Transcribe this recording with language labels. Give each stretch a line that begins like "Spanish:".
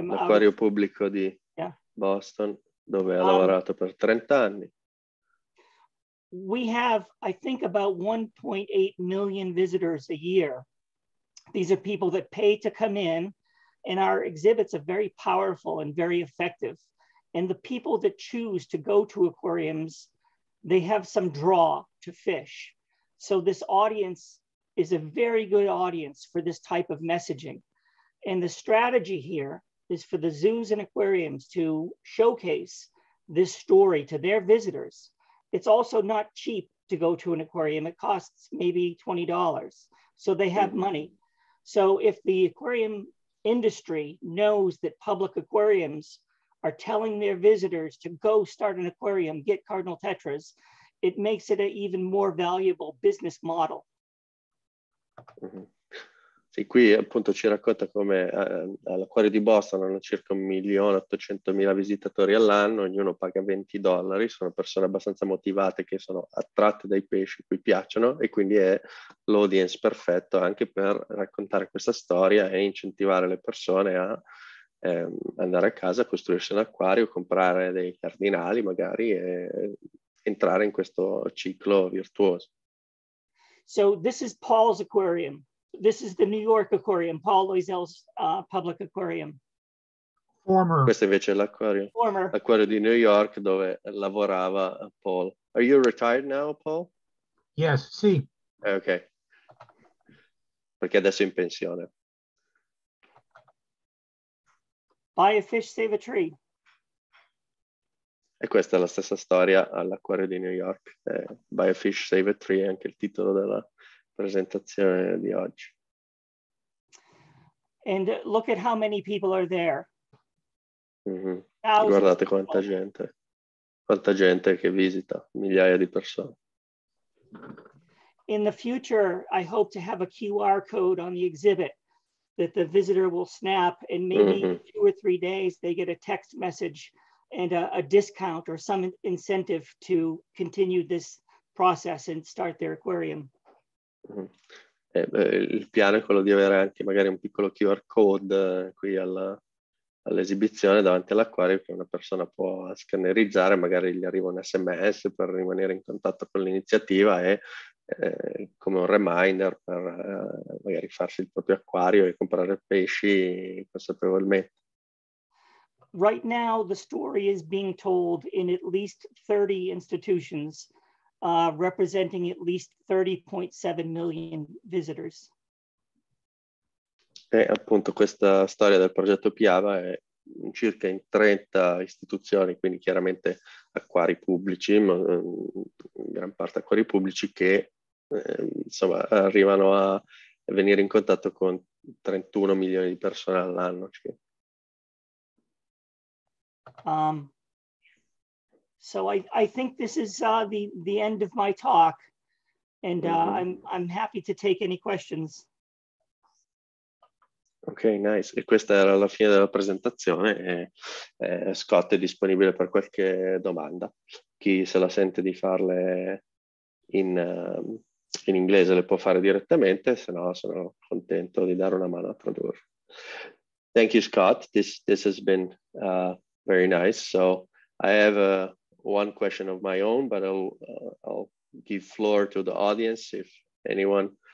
Italian: L'acquario pubblico di Boston, dove ha lavorato per 30 anni.
English: We have, I think, about 1.8 million visitors a year. These are people that pay to come in, and our exhibits are very powerful and very effective. And the people that choose to go to aquariums, they have some draw to fish. So this audience is a very good audience for this type of messaging. And the strategy here is for the zoos and aquariums to showcase this story to their visitors. It's also not cheap to go to an aquarium. It costs maybe $20. So they have money. So if the aquarium industry knows that public aquariums are telling their visitors to go start an aquarium, get Cardinal Tetras, it makes it an even more valuable business model.
Italian: Sì, qui appunto ci racconta come all'acquario di Boston hanno circa 1.800.000 visitatori all'anno, ognuno paga $20, sono persone abbastanza motivate che sono attratte dai pesci, cui piacciono e quindi è l'audience perfetto anche per raccontare questa storia e incentivare le persone a andare a casa, costruirsi un acquario, comprare dei cardinali magari e entrare in questo ciclo virtuoso.
English: So this is Paul's aquarium. This is the New York Aquarium, Paul Loisel's public aquarium. Former.
Italian: Questo invece è l'acquario.
English: Former.
Italian: L'acquario di New York dove lavorava Paul.
English: Are you retired now, Paul? Yes, sì.
Italian: Okay. Perché adesso è in pensione.
English: Buy a fish, save a tree.
Italian: E questa è la stessa storia all'acquario di New York.
English: Buy a fish, save a tree
Italian: è anche il titolo della presentazione di oggi.
English: And look at how many people are there.
Italian: Mm-hmm. Guardate quanta gente. Quanta gente che visita, migliaia di persone.
English: In the future, I hope to have a QR code on the exhibit that the visitor will snap, and maybe in 2 or 3 days they get a text message and a discount or some incentive to continue this process and start their aquarium.
Italian: Il piano è quello di avere anche magari un piccolo QR code qui all'esibizione davanti all'acquario che una persona può scannerizzare, magari gli arriva un SMS per rimanere in contatto con l'iniziativa e come un reminder per magari farsi il proprio acquario e comprare pesci consapevolmente.
English: Right now the story is being told in at least 30 institutions representing at least 30.7 million visitors.
Italian: E appunto questa storia del progetto Piaba è circa in 30 istituzioni, quindi chiaramente acquari pubblici, ma in gran parte acquari pubblici che insomma arrivano a venire in contatto con 31 milioni di persone all'anno.
English: So I think this is the end of my talk, and I'm happy to take any questions. Okay, nice.
Italian: E questa era la fine della presentazione. Scott è disponibile per qualche domanda. Chi se la sente di farle in inglese le può fare direttamente, se no sono contento di dare una mano a tradurre.
English: Thank you, Scott. This has been very nice. So I have one question of my own, but I'll give floor to the audience if anyone